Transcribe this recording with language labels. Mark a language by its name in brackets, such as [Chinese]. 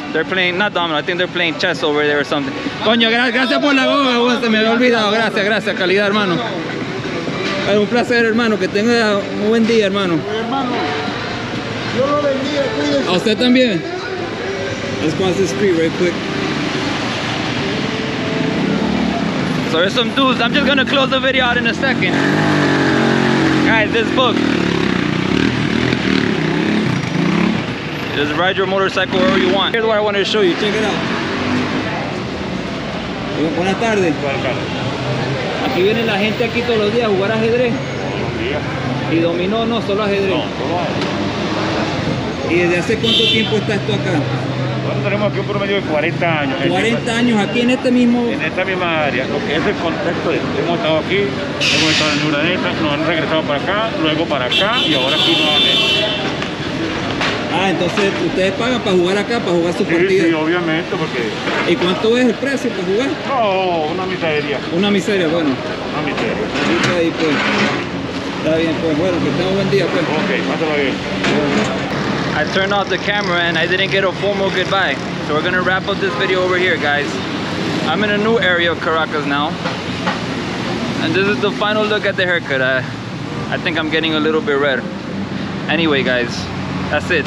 [English] They're playing, not dominoes, I think they're playing chess over there or something. [Spanish] Coño, gracias por la goma, se me había olvidado. Gracias, gracias, calidad, hermano. Es un placer, hermano, que tenga un buen día, hermano. Hermano, yo lo bendiga, cuídense. A usted también. [English] Let's cross the street right quick. So there's some dudes, I'm just gonna close the video out in a second. Guys, this book. Just ride your motorcycle wherever you want. Here's what I wanted to show you, check it out. [Spanish] Buenas tardes. Aquí viene la gente aquí todos los días a jugar ajedrez. Y dominó, no, solo ajedrez. No, solo. ¿Y desde hace cuánto tiempo está esto acá? Nosotros tenemos aquí un promedio de 40 años. 40 años aquí en este mismo. En esta misma área, lo que es el contexto de hemos estado aquí, hemos estado en Uraneta, nos han regresado para acá, luego para acá y ahora aquí nuevamente. Ah, entonces ustedes pagan para jugar acá, para jugar su partida. Sí, obviamente, porque. ¿Y cuánto es el precio para jugar? No, una miseria. Una miseria, bueno. Una miseria. Ahí está, ahí, pues. Está bien, pues bueno, que tenga un buen día, pues. Ok, pásalo bien. [English] I turned off the camera and I didn't get a formal goodbye. So we're gonna wrap up this video over here, guys. I'm in a new area of Caracas now. And this is the final look at the haircut. I think I'm getting a little bit red. Anyway, guys, that's it.